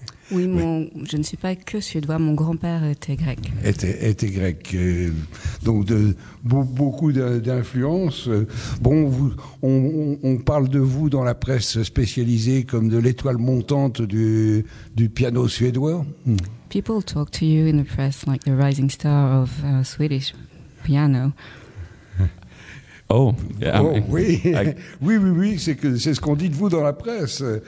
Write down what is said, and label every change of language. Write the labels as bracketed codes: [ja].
[fr] Oui, je ne suis pas que suédois, mon grand-père était grec. Était grec. Donc, beaucoup d'influence. Bon, on parle de vous dans la presse spécialisée comme de l'étoile montante du piano suédois. [en] People talk to you in the press like the rising star of Swedish piano. Oh, yeah, [fr] oui, c'est ce qu'on dit de vous dans la presse.